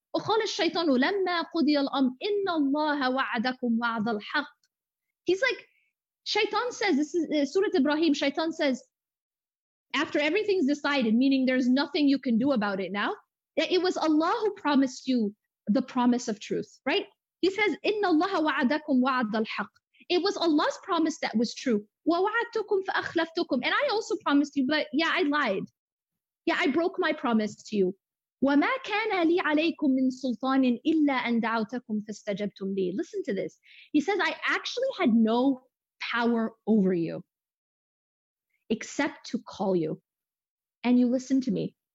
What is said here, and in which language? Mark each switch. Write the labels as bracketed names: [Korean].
[Arabic] وَقَالَ الشَّيْطَانُ لَمَّا قُضِيَ الْأَمْ إِنَّ اللَّهَ وَعَدَكُمْ وَعَدَ الْحَقِّ. [English] He's like, shaitan says, this is Surah Ibrahim, shaitan says, after everything's decided, meaning there's nothing you can do about it now, that it was Allah who promised you the promise of truth, right? He says, [Arabic] إِنَّ اللَّهَ وَعَدَكُمْ وَعَدَ الْحَقِّ. [English] It was Allah's promise that was true. [Arabic] وَوَعَدْتُكُمْ فَأَخْلَفْتُكُمْ. [English] And I also promised you, but yeah, I lied. Yeah, I broke my promise to you. [Arabic] وَمَا كَانَ لِي عَلَيْكُمْ مِنْ سُلْطَانٍ إِلَّا أَنْ دَعَوْتَكُمْ فَاسْتَجَبْتُمْ لِي. [English] Listen to this. He says, I actually had no power over you, except to call you, and you listened to me.